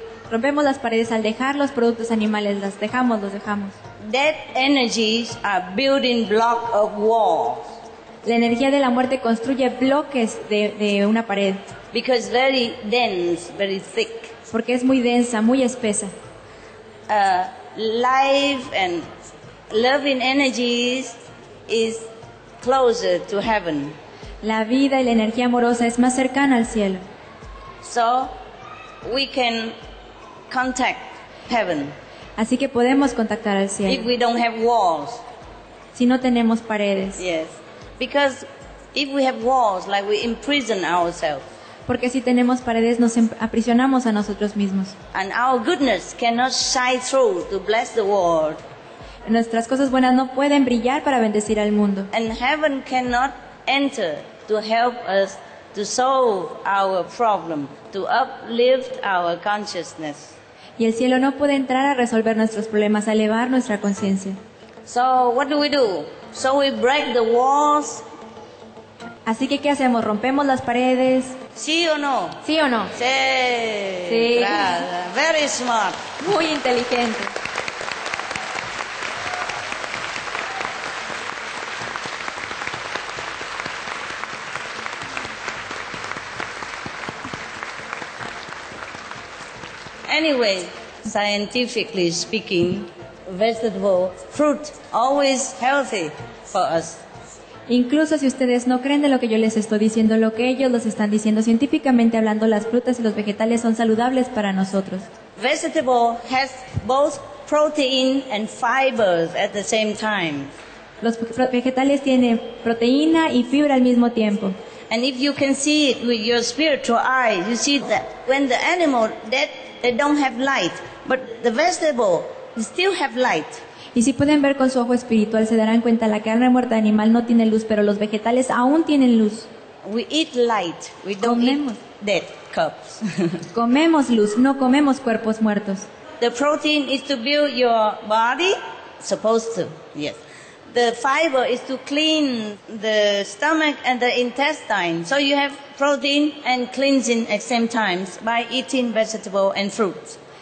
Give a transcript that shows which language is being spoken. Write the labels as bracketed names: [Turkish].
[Spanish] Rompemos las paredes al dejar los productos animales, los dejamos. [English] Dead energies are building block of walls. [Spanish] La energía de la muerte construye bloques de una pared. [English] Because very dense, very thick. [Spanish] Porque es muy densa, muy espesa. [English] Life and loving energies is closer to heaven. [Spanish] La vida y la energía amorosa es más cercana al cielo. [English] So we can contact heaven. [Spanish] Así que podemos contactar al cielo. [English] If we don't have walls. [Spanish] Si no tenemos paredes. [English] Yes. Because if we have walls, like we imprison ourselves. [Spanish] Porque si tenemos paredes, nos aprisionamos a nosotros mismos. [English] And our goodness cannot shine through to bless the world. [Spanish] Nuestras cosas buenas no pueden brillar para bendecir al mundo. [English] And heaven cannot enter to help us to solve our problem, to uplift our consciousness. [Spanish] Y el cielo no puede entrar a resolver nuestros problemas, a elevar nuestra conciencia. [English] So what do? So we break the walls. [Spanish] Así que ¿qué hacemos? ¿Rompemos las paredes? ¿Sí o no? ¿Sí o no? Sí. Sí. [English] Very smart. [Spanish] Muy inteligente. [English] Anyway, scientifically speaking, vegetable fruit always healthy for us. [Spanish] Incluso si ustedes no creen de lo que yo les estoy diciendo, lo que ellos los están diciendo, científicamente hablando, las frutas y los vegetales son saludables para nosotros. [English] Vegetable has both protein and fibers at the same time. [Spanish] Los vegetales tienen proteína y fibra al mismo tiempo. [English] And if you can see it with your spiritual eye, you see that when the animal dead, they don't have light, but the vegetable still have light. [Spanish] Y si pueden ver con su ojo espiritual, se darán cuenta, la carne muerta de animal no tiene luz, pero los vegetales aún tienen luz. [English] We eat light, we don't [Spanish] comemos. [English] Eat dead cups. [Spanish] Comemos luz, no comemos cuerpos muertos. [English] The protein is to build your body, supposed to, yes. The fiber is to clean the stomach and the intestine. So you have protein and cleansing at same times by eating vegetable and fruits.